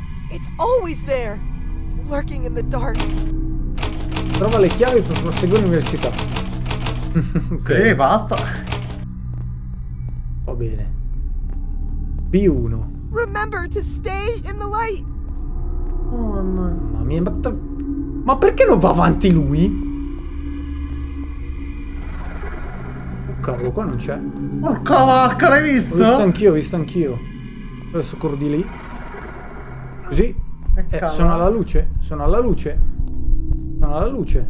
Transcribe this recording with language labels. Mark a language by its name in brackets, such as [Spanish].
[English] It's always there, lurking in the dark. [Italian] Trova le chiavi per proseguire l'università. Okay. Sì, basta. Va bene. B1. [English] Remember to stay in the light. Oh no. [Italian] Mamma mia, ma perché non va avanti lui? Oh cavolo, qua non c'è. Porca vacca, l'hai visto? Ho visto anch'io, ho visto anch'io. Adesso corro di lì. Così. Sono alla luce. Sono alla luce. Sono alla luce.